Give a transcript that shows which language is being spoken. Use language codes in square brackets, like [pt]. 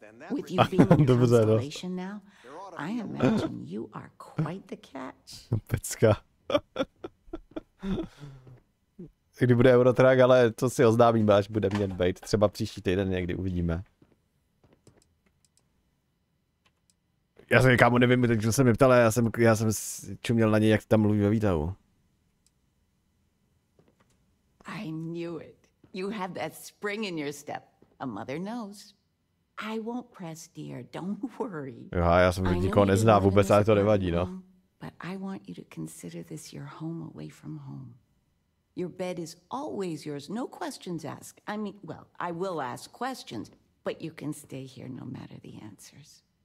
[en] With you being in constellation now, I imagine you are quite the catch. [cs] Pecka. Kdy bude Eurotrack, ale to si oznámíme, až bude mět být. Třeba příští týden někdy uvidíme. Já jsem kámo nevím, takže jsem mě ptal, já jsem čuměl na něj, jak tam mluví ve výtahu. [en] I knew it. You have that spring in your step. A mother knows. I won't press, dear. Don't worry. [cs] Jo, já jsem nikoho neznám vůbec, ale to nevadí, no. [en] But I want you to consider this your home away from home. Your bed is always yours, no questions asked. I mean, well, I will ask questions, but you can stay here no matter the answers.